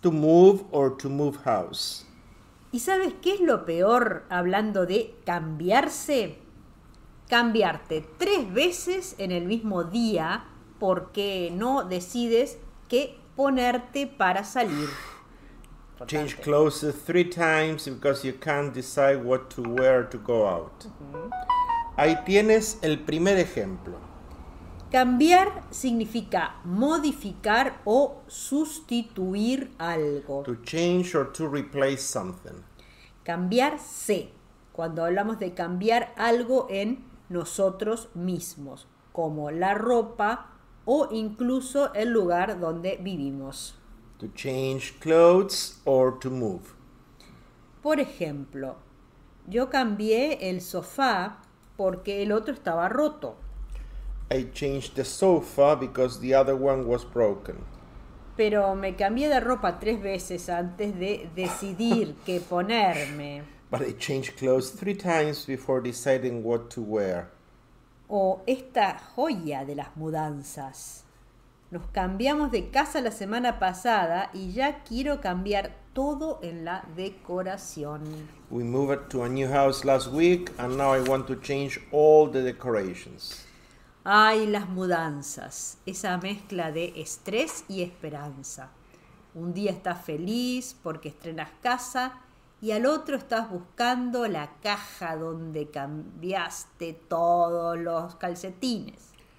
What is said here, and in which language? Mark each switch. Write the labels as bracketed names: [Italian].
[English] To move or to move house. [Spanish] ¿Y sabes qué es lo peor hablando de cambiarse? Cambiarte tres veces en el mismo día porque no decides qué ponerte para salir. [English] Change [Spanish] Importante. [English] clothes three times because you can't decide what to wear to go out. [Spanish] Ahí tienes el primer ejemplo. Cambiar significa modificar o sustituir algo. [English] To change or to replace something. [Spanish] Cambiarse, cuando hablamos de cambiar algo en nosotros mismos, como la ropa o incluso el lugar donde vivimos. [English] To change clothes or to move. [Spanish] Por ejemplo, yo cambié el sofá porque el otro estaba roto. [English] I changed the sofa because the other one was broken. [Spanish] Pero me cambié de ropa tres veces antes de decidir qué ponerme. [English] But I changed clothes three times before deciding what to wear. [Spanish] O esta joya de las mudanzas. Nos cambiamos de casa la semana pasada y ya quiero cambiar todo en la decoración. [English] We moved to a new house last week and now I want to change all the decorations. [Spanish] Ay, las mudanzas, esa mezcla de estrés y esperanza. Un día estás feliz porque estrenas casa y al otro estás buscando la caja donde cambiaste todos los calcetines.